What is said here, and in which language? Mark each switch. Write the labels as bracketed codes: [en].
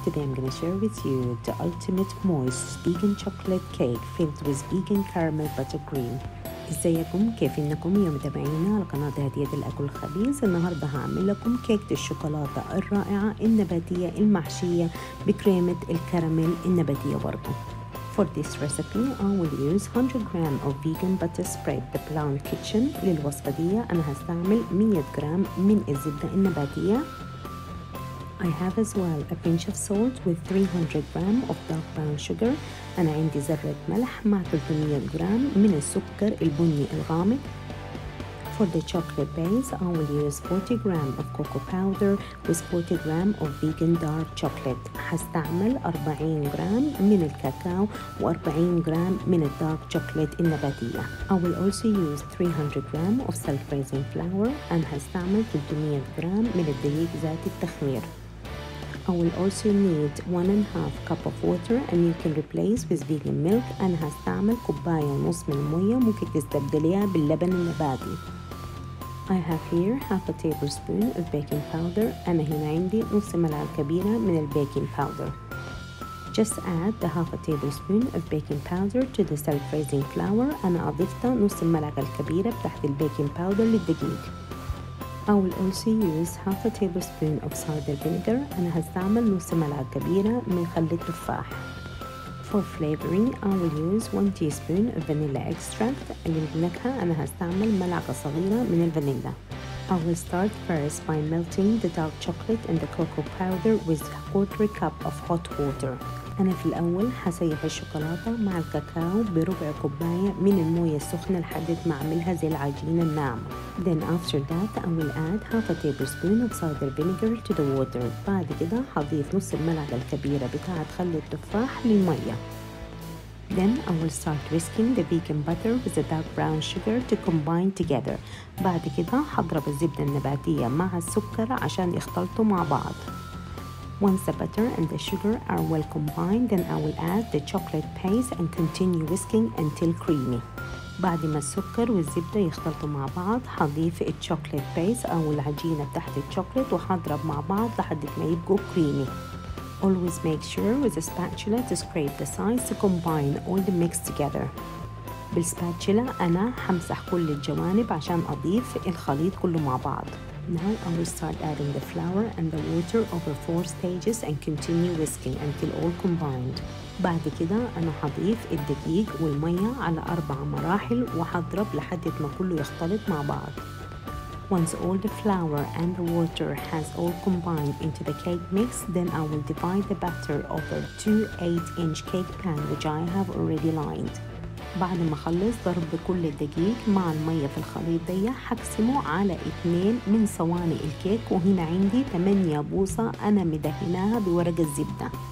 [en] Today I'm going to share with you the ultimate moist vegan chocolate cake filled with vegan caramel buttercream. [ar] ازيكم؟ كيف انكم يا متابعينا لقناة هدية الاكل الخبيز؟ النهاردة هعمل لكم كيكة الشوكولاتة الرائعة النباتية المحشية بكريمة الكراميل النباتية برضو. [en] For this recipe, I will use 100 grams of vegan butter spread the Plant Kitchen. [ar] للوصفة دي أنا هستعمل 100 جرام من الزبدة النباتية. [en] I have as well a pinch of salt with 300 grams of dark brown sugar. [ar] أنا عندي ذرة ملح مع 300 جرام من السكر البني الغامق. [en] For the chocolate base, I will use 40 grams of cocoa powder with 40 grams of vegan dark chocolate. [ar] هستعمل 40 جرام من الكاكاو و 40 جرام من الدارك شوكليت النباتية. [en] I will also use 300 grams of self-raising flour and [ar] هستعمل 300 جرام من الدقيق ذات التخمير. [en] I will also need 1.5 cup of water and you can replace with vegan milk. [ar] أنا هستعمل كوباية ونص من المية، ممكن تستبدليها باللبن النباتي. [en] I have here half a tablespoon of baking powder. [ar] أنا هنا عندي نص ملعقة كبيرة من البيكنج باودر. [en] Just add the half a tablespoon of baking powder to the self-raising flour. [ar] أنا أضفت نص الملعقة الكبيرة بتاعت البيكنج باودر للدقيق. [en] I will also use half a tablespoon of cider vinegar. [ar] أنا هستعمل نص ملعقة كبيرة من خل التفاح. [en] For flavoring, I will use 1 teaspoon of vanilla extract. [ar] للنكهة أنا هستعمل ملعقة صغيرة من الفانيلا. [en] I will start first by melting the dark chocolate and the cocoa powder with 1/4 cup of hot water. [ar] أنا في الأول هسيح الشوكولاتة مع الكاكاو بربع كوباية من الموية السخنة لحد ما أعملها زي العجينة الناعمة. [en] Then after that I will add 1/2 tablespoon of cider vinegar to the water. [ar] بعد كده هضيف نص الملعقة الكبيرة بتاعة خل التفاح للمية. [en] Then I will start whisking the vegan butter with the dark brown sugar to combine together. [ar] بعد كده هضرب الزبدة النباتية مع السكر عشان يختلطوا مع بعض. [en] Once the butter and the sugar are well combined, then I will add the chocolate paste and continue whisking until creamy. [ar] بعد ما السكر والزبدة يختلطوا مع بعض هضيف الشوكليت بيس أو العجينة تحت الشوكليت وهضرب مع بعض لحد ما يبقوا creamy. [en] Always make sure with a spatula to scrape the sides to combine all the mix together. [ar] بالسباتشيلا أنا همسح كل الجوانب عشان أضيف الخليط كله مع بعض. [en] Now I will start adding the flour and the water over 4 stages and continue whisking until all combined. [ar] بعد كده أنا هضيف الدقيق والمية على 4 مراحل وهضرب لحد ما كله يختلط مع بعض. [en] Once all the flour and the water has all combined into the cake mix, then I will divide the batter over 2 8-inch cake pan which I have already lined. [ar] بعد ما خلص ضرب كل الدقيق مع المية في الخليط دي هقسمه على 2 من صواني الكيك، وهنا عندي 8 بوصة أنا مدهناها بورق الزبدة.